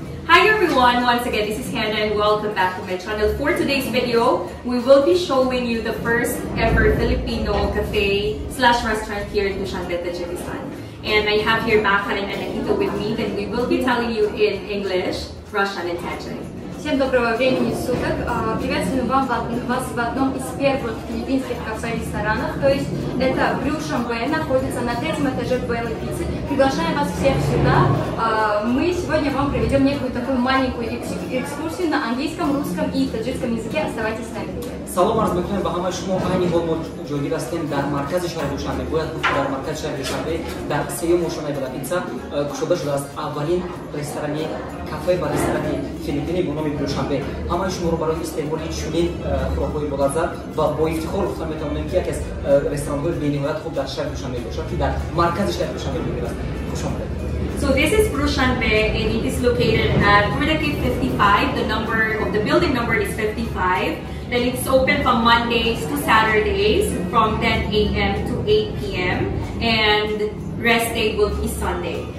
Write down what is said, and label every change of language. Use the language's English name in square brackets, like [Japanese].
[English] Hi everyone, once again this is Hannah and welcome back to my channel. For today's video, we will be showing you the first ever Filipino cafe slash restaurant here in Dushanbe, Tajikistan. And I have here Makan and Anakito with me that we will be telling you in English, Russian and Tajik. [Russian] Всем доброго времени суток. Приветствую вас в одном из первых филиппинских кафе-ресторанов. То есть это Dushanbe, находится на третьем этаже Белой пиццы. Приглашаем вас всех сюда. Мы сегодня вам проведем некую такую маленькую экскурсию на английском, русском и таджикском языке. Оставайтесь с нами. [Tajik] Салам арз бекен бахама шумо айни хол мо джойи растем дар маркази шаҳри Душанбе. Бояд гуфтам дар маркази шаҳри Душанбе дар сеюм ошонаи Белла Пицца кушода шудааст. Аввалин ресторани кафе ва ресторани филиппини бо номи Душанбе. Ҳамаи шуморо барои истеъмоли чунин хӯрокҳои болаззат ва бо ифтихор гуфта метавонем ки яке аз ресторанҳои бениҳоят хуб дар шаҳри Душанбе бошад ки дар маркази шаҳри Душанбе мегирад. Хуш омадед. [English] So this is Dushanbe and it is located at Rudaki 55. The number of the building number is 55. Then it's open from Mondays to Saturdays from 10 a.m. to 8 p.m. and rest day will be Sunday.